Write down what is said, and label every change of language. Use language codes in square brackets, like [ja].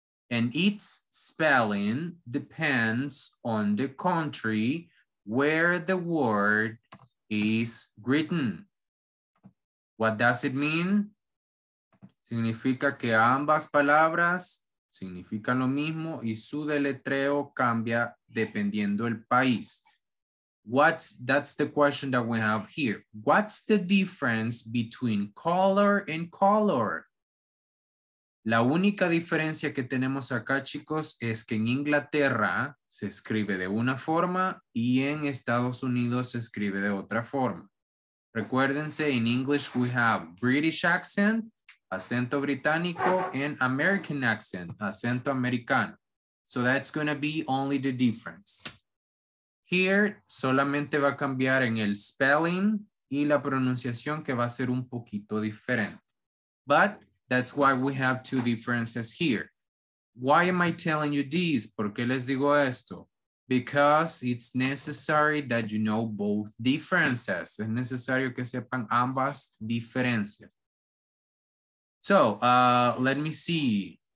[en] And its spelling depends on the country where the word is written. What does it mean? [es] Significa que ambas palabras significan lo mismo y su deletreo cambia dependiendo el país. [en] That's the question that we have here. What's the difference between color and color? [es] La única diferencia que tenemos acá, chicos, es que en Inglaterra se escribe de una forma y en Estados Unidos se escribe de otra forma. Recuérdense, [en] in English we have British accent, [es] acento británico, [en] and American accent, [es] acento americano. [en] So that's going to be only the difference. [es] Here, solamente va a cambiar en el spelling y la pronunciación que va a ser un poquito diferente. [en] But that's why we have two differences here. Why am I telling you this? [es] ¿Por qué les digo esto? [en] Because it's necessary that you know both differences. [es] Es necesario que sepan ambas diferencias. [en] So, let me see.